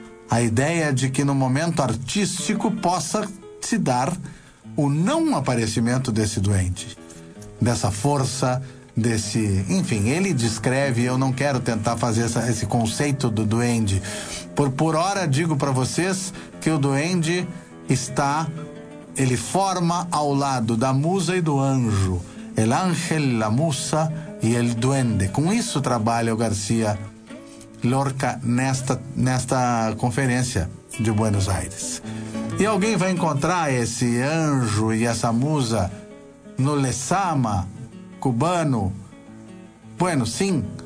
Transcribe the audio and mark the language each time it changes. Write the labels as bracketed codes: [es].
[pt] A ideia de que no momento artístico possa se dar o não aparecimento desse duende, dessa força, desse, enfim, ele descreve, eu não quero tentar fazer esse conceito do duende. Por hora, digo para vocês que o duende está, ele forma ao lado da musa e do anjo. [es] El ángel, la musa y el duende. [pt] Com isso trabalha o García Lorca nesta conferência de Buenos Aires. E alguém vai encontrar esse anjo e essa musa no Lezama cubano? Bueno, sim.